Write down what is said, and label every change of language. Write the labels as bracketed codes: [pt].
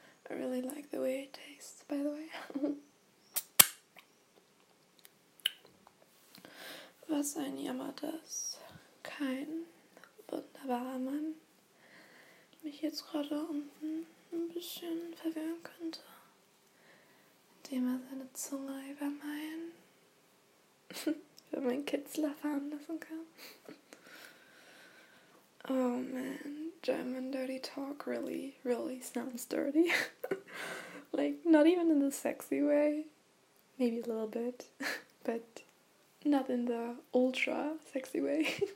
[en] I really like the way it tastes, by the way. [de] Was ein Jammer, dass kein wunderbarer Mann mich jetzt gerade unten ein bisschen verwirren könnte, indem er seine Zunge über mein über mein Kitzler fahren lassen kann. [en] Oh man, German dirty talk really, really sounds dirty. Like, not even in the sexy way. Maybe a little bit, but not in the ultra sexy way.